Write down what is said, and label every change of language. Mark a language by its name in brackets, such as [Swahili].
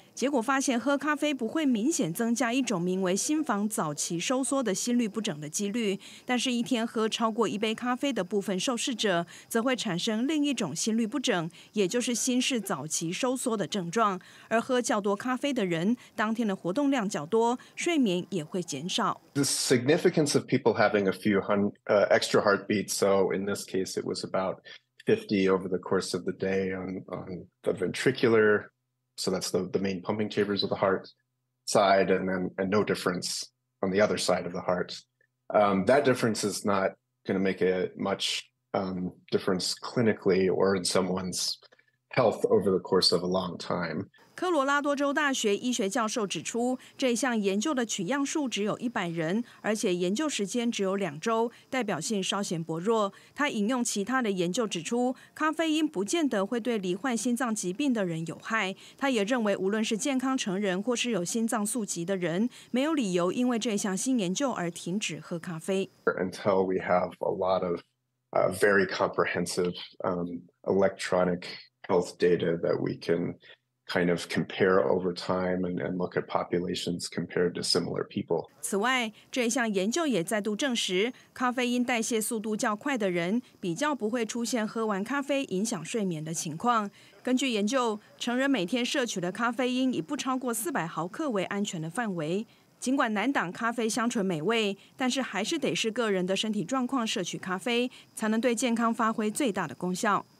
[Chinese] 结果发现喝咖啡不会明显增加一种名为心房早期收缩的心律不整的几率，但是一天喝超过一杯咖啡的部分受试者则会产生另一种心律不整，也就是心室早期收缩的症状，而喝较多咖啡的人当天的活动量较多，睡眠也会减少。 [English] The significance of people having a few extra heartbeats, so in this case it was about 50 over the course of the day on the ventricular, so that's the main pumping chambers of the heart side, and no difference on the other side of the heart. That difference is not going to make it much difference clinically or in someone's health over the course of a long time. [Chinese] 科罗拉多州大学医学教授指出，这项研究的取样数只有100人，而且研究时间只有2周，代表性稍显薄弱。他引用其他的研究指出，咖啡因不见得会对罹患心脏疾病的人有害。他也认为，无论是健康成人或是有心脏素疾的人，没有理由因为这项新研究而停止喝咖啡。 [English] Until we have a lot of very comprehensive electronic health data that we canKind of compare over time and look at populations compared to similar people. [Chinese] 此外，这项研究也再度证实，咖啡因代谢速度较快的人比较不会出现喝完咖啡影响睡眠的情况。根据研究，成人每天摄取的咖啡因以不超过400毫克为安全的范围。尽管难挡咖啡香醇美味，但是还是得是个人的身体状况摄取咖啡，才能对健康发挥最大的功效。